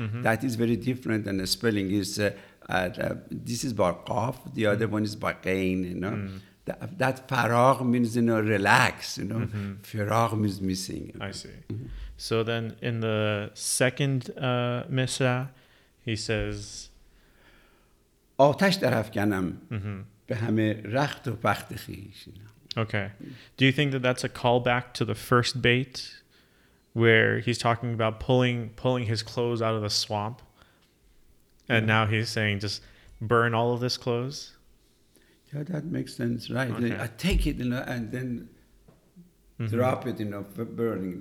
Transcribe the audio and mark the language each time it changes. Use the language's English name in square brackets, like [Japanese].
[English] That is very different than the spelling is. This is by قاف. The other one is by غین, you know. That فراغ means, you know, relax, you know. فراغ means missing. I see. So then in the second misra, he says, [Persian] آتش در افکنم به همه رخت و بخت خویش. [English] Okay. Do you think that that's a callback to the first bait where he's talking about pulling his clothes out of the swamp and now he's saying just burn all of this clothes? Yeah, that makes sense, right? Okay. I take it, you know, and then drop it, you know, for burning.